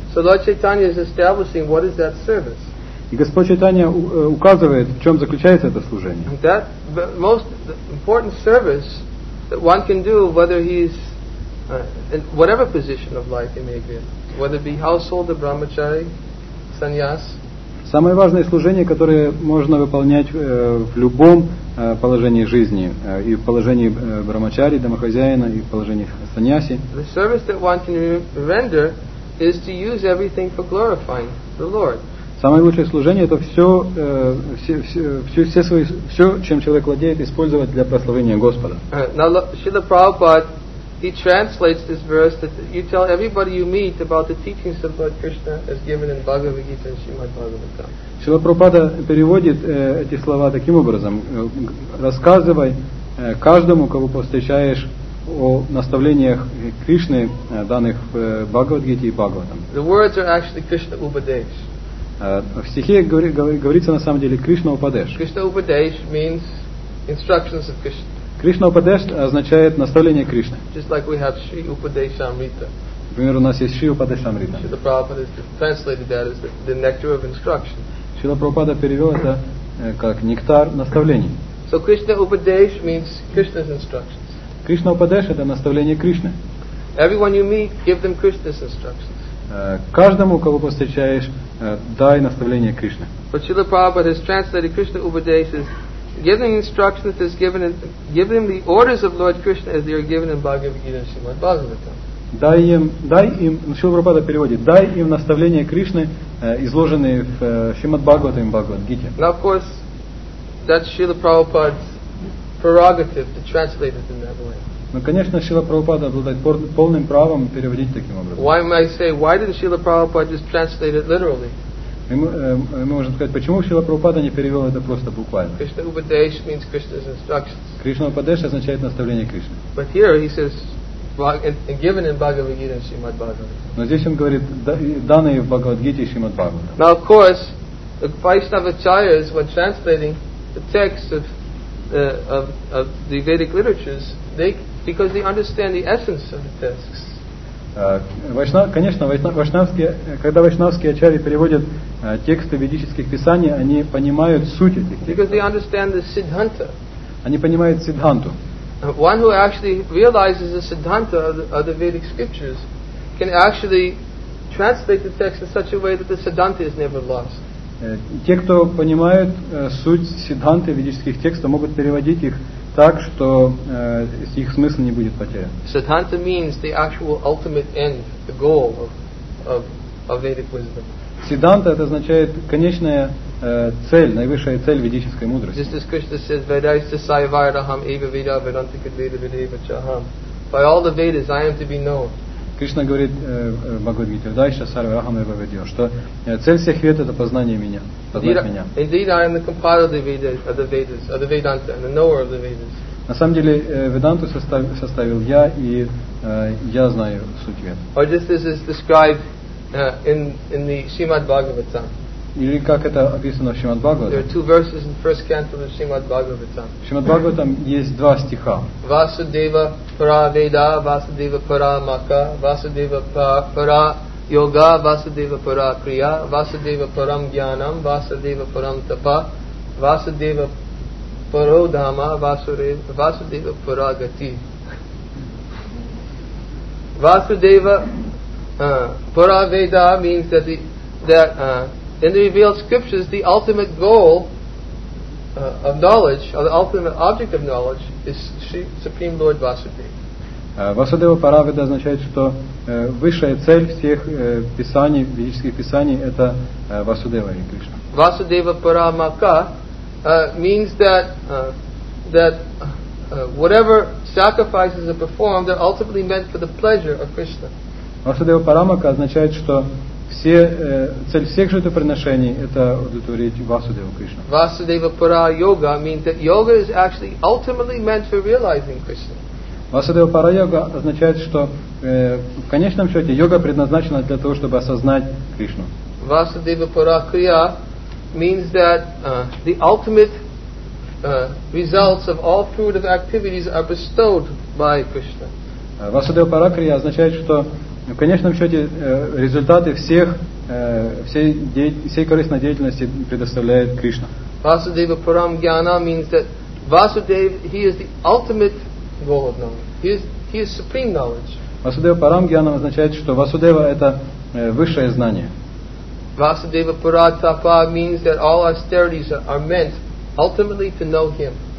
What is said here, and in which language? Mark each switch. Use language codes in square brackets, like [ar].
[en] So Lord Chaitanya is establishing what is that service. [ru] И Господь Чайтанья указывает, в чем заключается это служение. [en] That most important service that one can do, whether he's in whatever position of life he may be, whether it be household or brahmachari, sannyas. [ru] Самое важное служение, которое можно выполнять в любом положении жизни, и в положении брахмачари, домохозяина, и в положении саньяси. [en] The service that one can render is to use everything for glorifying the Lord. [ru] Самое лучшее служение – это все, чем человек владеет, использовать для прославления Господа. [en] Now, Srila Prabhupada, he translates this verse that you tell everybody you meet about the teachings of Lord Krishna as given in Bhagavad Gita and Srimad Bhagavatam. [ru] Шрила Прабхупада переводит эти слова таким образом: рассказывай каждому, кого повстречаешь, о наставлениях Кришны, данных в Бхагавад Гите и Бхагаватам. [en] The words are actually Krishna Upadesh. [ru] В стихе говорится на самом деле Кришна Упадеш. [en] Krishna Upadesh means instructions of Krishna. [ru] Кришна Упадеш означает наставление Кришны. [en] Just like we have Sri Upadeshamrita. [ru] Например, у нас есть Sri Upadeshamrita. [en] Srila Prabhupada has translated that as the nectar of instruction. [ru] Srila Prabhupada перевел это как нектар наставлений. [en] So Krishna Upadesh means Krishna's instructions. [ru] Кришна Упадеш это наставление Кришны. [en] Everyone you meet, give them Krishna's instructions. [ru] Каждому, кого повстречаешь, дай наставление Кришны. [en] But Srila Prabhupada has translated Krishna Upadesh as giving instructions that is given in, giving the orders of Lord Krishna as they are given in Bhagavad Gita and Srimad Bhagavatam. [ru] Дай им, Шрила Прабхупада переводит, дай им наставления Кришны, изложенные в Шримад Бхагаватам и Бхагавад Гите. [en] Now of course, that's Srila Prabhupada's prerogative to translate it in that way. [ru] Но, конечно, Шрила Прабхупада обладает полным правом переводить таким образом. [en] Why might I say, why didn't Srila Prabhupada just translate it literally? [ru] мы можем сказать, почему Шрила Прабхупада не перевел это просто буквально. [en] Krishna Upadesha means Krishna's instructions. [ru] Krishna Upadesha означает наставление Кришны. [en] But here he says, given in Bhagavad Gita and Shrimad Bhagavatam. [ru] Но здесь он говорит, данные в Бхагавад Гите и Шримад Бхагаватам. [en] Now of course, the Vaishnava acharyas when translating the texts of the Vedic literatures, because they understand the essence of the texts. [ru] Конечно, когда вайшнавские ачарьи переводят тексты ведических писаний, они понимают суть этих текстов. [en] Because they understand the siddhanta. [ru] Они понимают сиддханту. [en] One who actually realizes the siddhanta of the Vedic scriptures can actually translate the text in such a way that the siddhanta is never lost. [ru] Те, кто понимают суть сиддханты ведических текстов, могут переводить их так, что их смысл не будет потерян. [en] Siddhanta means the actual ultimate end, the goal of Vedic wisdom. [ru] Siddhanta — это означает конечная цель, наивысшая цель ведической мудрости. [sa] Just as Krishna says, Vedaisya Saivaraham Eva Veda Vedantika Veda Vedeva Chaham. [en] By all the Vedas I am to be known. [ru] Кришна говорит в Бхагавад Гите, [sa] Вайдайша Сарварахам Эва Ведио, [ru] что цель всех вед — это познание меня, На самом деле, Веданту составил я, и я знаю суть вед. [en] Or just as is described in the Shrimad Bhagavatam. [ru] Или как это описано в Шримад Бхагаватам. [en] There are two verses in first canto of Shrimad Bhagavatam. [ru] В Шримад Бхагаватам есть два стиха. [sa] Vasudeva para veda, Vasudeva para maka, Vasudeva para yoga, Vasudeva para kriya, Vasudeva param jnanam, Vasudeva param tapa, Vasudeva paro dhamma, Vasudeva para gati. Vasudeva para veda [en] means in the revealed scriptures, the ultimate goal of knowledge, or the ultimate object of knowledge, is Supreme Lord Vasudeva. [sa] Vasudeva Paraveda [ru] означает, что высшая цель всех писаний, ведических писаний, это Vasudeva или Кришна. [sa] Vasudeva Paramaka [en] means that whatever sacrifices are performed, they're ultimately meant for the pleasure of Krishna. [sa] Vasudeva Paramaka [ru] означает, что цель всех жертвоприношений — это удовлетворить Васудеву Кришну. [sa] Vasudeva para yoga [en] means that yoga is actually ultimately meant for realizing Krishna. [sa] Vasudeva para yoga [ru] означает, что в конечном счете йога предназначена для того, чтобы осознать Кришну. [sa] Vasudeva para kriya [en] means that the ultimate results of all fruitive activities are bestowed by Krishna. [sa] Vasudeva para kriya [ru] означает, что в конечном счете результаты всей корыстной деятельности предоставляет Кришна. [sa] Vasudeva param jnana [en] means that Vasudev, he is the ultimate goal of knowledge. He is supreme knowledge. [sa] Vasudeva param jnana [ru] означает, что Vasudeva — это высшее знание. [sa] Vasudeva para tapa [en] means that all austerities are meant ultimately to know him.